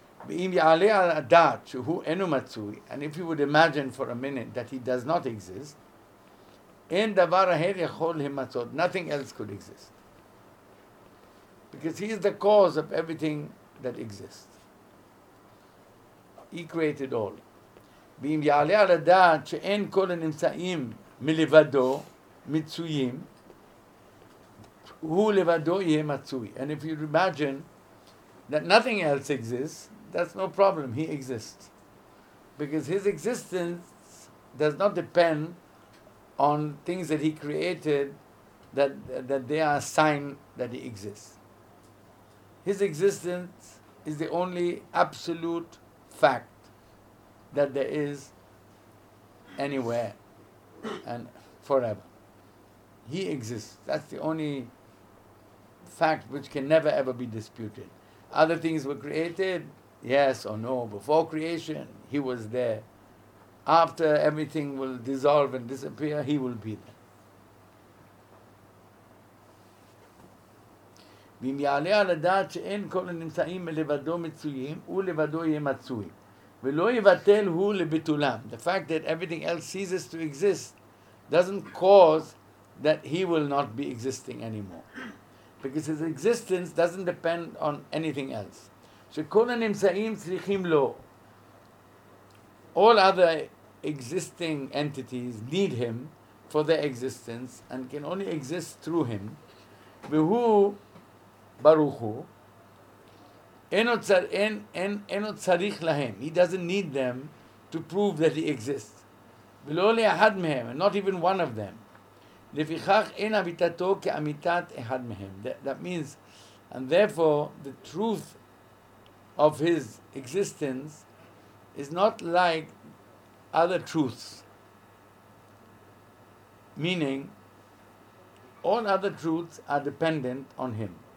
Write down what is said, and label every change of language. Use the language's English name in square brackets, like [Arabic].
[English] Im ya'aleh al hada'at shehu enu matzui, and if you would imagine for a minute that he does not exist, ein davar aher yachol himatzot, nothing else could exist. Because he is the cause of everything that exists. He created all. [Hebrew] ואם יעלה על הדעת שאין כל הנמצאים מלבדו מצויים, הוא לבדו יהיה מצוי. [English] And if you imagine that nothing else exists, that's no problem, he exists. Because his existence does not depend on things that he created, that they are a sign that he exists. His existence is the only absolute fact that there is anywhere and forever. He exists. That's the only fact which can never ever be disputed. Other things were created, yes or no, before creation, he was there. after everything will dissolve and disappear, he will be there. [Hebrew] ואם יעלה על הדעת שאין כל הנמצאים מלבדו מצויים, הוא לבדו יהיה מצוי. ולא יבטל הוא לביטולם. [English] The fact that everything else ceases to exist doesn't cause that he will not be existing anymore. Because his existence doesn't depend on anything else. [Hebrew] שכל הנמצאים צריכים לו. [English] All other existing entities need him for their existence and can only exist through him. [Hebrew] והוא ברוך הוא, אינו צריך להם. [English] He doesn't need them to prove that he exists. [Hebrew] ולא לאחד מהם, [English] not even one of them. [Hebrew] לפיכך אין אמיתתו כאמיתת אחד מהם. [English] That means, and therefore, the truth of his existence is not like other truths. Meaning, all other truths are dependent on him.